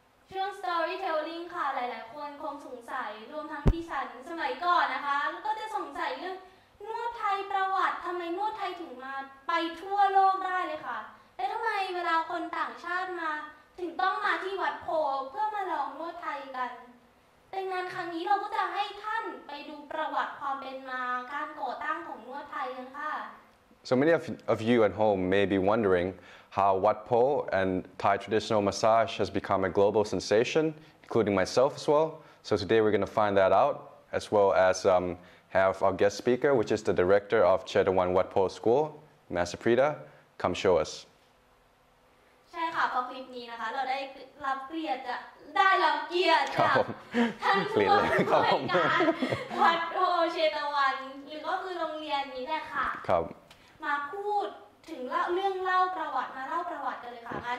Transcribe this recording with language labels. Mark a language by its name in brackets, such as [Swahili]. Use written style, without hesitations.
[Thai] ช่วง storytelling ค่ะหลายๆคนคงสงสัยรวมทั้งพี่ฉันสมัยก่อนนะคะก็จะสงสัยเรื่องนวดไทยประวัติทำไมนวดไทยถึงมาไปทั่วโลกได้เลยค่ะแล้วทำไมเวลาคนต่างชาติมาถึงต้องมาที่วัดโพเพื่อมาลองนวดไทยกันในงานครั้งนี้เราก็จะให้ท่านไปดูประวัติความเป็นมาการก่อตั้งของนวดไทยกันค่ะ [English] So many of you at home may be wondering how Wat Pho and Thai traditional massage has become a global sensation, including myself as well. So today we're going to find that out, as well as have our guest speaker, which is the director of Che Da Wan Wat Pho School, Master Prita, come show us. [Thai] ใช่ค่ะพอคลิปนี้นะคะเราได้รับเกียรติได้รับเกียรติจากท่านผู้อำนวยการวัดโพเชตวันหรือก็คือโรงเรียนนี้แหละค่ะ ครับ มาพูดถึงเรื่องเล่าประวัติมาเล่าประวัติกันเลยค่ะ